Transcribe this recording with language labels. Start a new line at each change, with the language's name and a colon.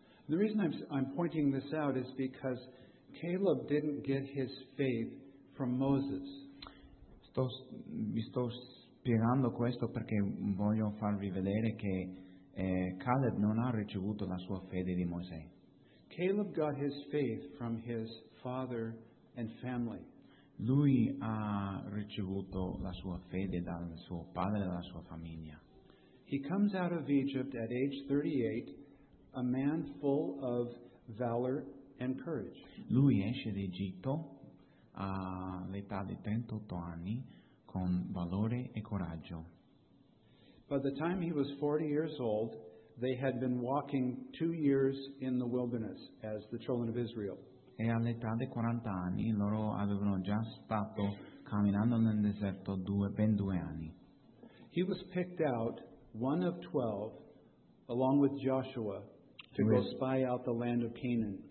English: The reason I'm pointing this out is because Caleb didn't get his faith from Moses.
Italian: Vi sto spiegando questo perché voglio farvi vedere che Caleb non ha ricevuto la sua fede di Mosè.
English: Caleb got his faith from his father and family.
Italian: Lui ha ricevuto la sua fede dal suo padre e dalla sua famiglia.
English: He comes out of Egypt at age 38, a man full of valor and courage.
Italian: Lui esce d'Egitto all'età di 38 anni con valore e coraggio.
English: By the time he was 40 years old, they had been walking 2 years in the wilderness as the children of Israel.
Italian: E all'età di 40 anni loro avevano già stato camminando nel deserto ben due anni.
English: He was picked out, one of 12, along with Joshua, to go spy out the land of Canaan.